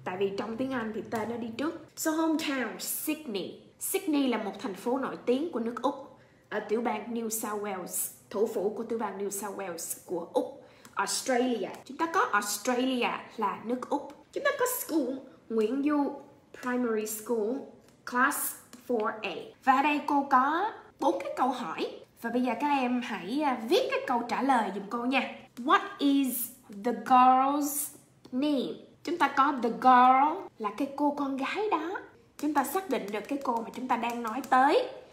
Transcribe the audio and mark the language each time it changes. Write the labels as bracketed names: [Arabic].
[Vietnamese] Tại vì trong tiếng Anh thì tên nó đi trước. [English] So, hometown, Sydney. [Vietnamese] Sydney là một thành phố nổi tiếng của nước Úc. Ở tiểu bang New South Wales. Thủ phủ của tiểu bang New South Wales của Úc. Australia. Chúng ta có Australia là nước Úc. Chúng ta có school, Nguyễn Du Primary School, class 4A. Và ở đây cô có 4 cái câu hỏi. Và bây giờ các em hãy viết cái câu trả lời giùm cô nha. [English] What is the girl's name? [Vietnamese] Chúng ta có the girl là cái cô con gái đó. Chúng ta xác định được cái cô mà chúng ta đang nói tới.